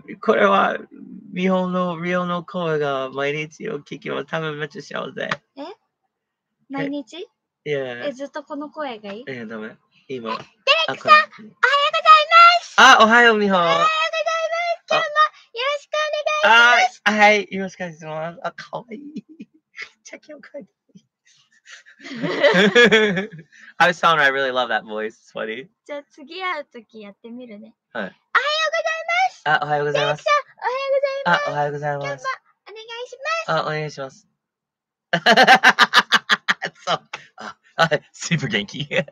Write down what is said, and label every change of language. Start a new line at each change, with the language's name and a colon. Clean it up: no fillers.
Japanese: 多分、これは、みほの、みほの声が毎日を聞けば多分めっちゃ幸せ。え？毎日？いや。え、ずっとこの声がいい？いや、ダメ。今。デレックさん、おはようございます！あ、おはよう、みほ。おはようございます！今日もよろしくお願いします。あ、はい、よろしくお願いします。あ、かわいい。
English: I was telling her I really love that voice. It's funny.
Japanese: じゃあ次会うときやってみるね。はい。おはようございます。あ、おはようございます。デレックさん、おはようございます。あ、おはようございます。今日もお願いします。あ、お願いします。そう。あ、スーパー元気。